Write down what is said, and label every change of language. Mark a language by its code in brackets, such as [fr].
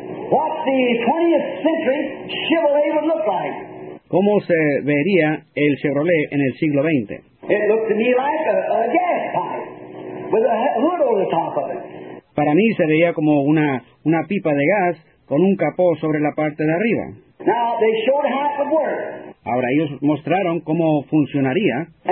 [en] What the 20th century Chevrolet would look like. [es] ¿Cómo se vería el Chevrolet en el siglo XX? [en] It looked to me like a gas pipe with a hood over the top of it. [es] Para mí se veía como una pipa de gas con un capó sobre la parte de arriba. [en] Now, they showed how it would work. [es] Ahora ellos mostraron cómo funcionaría.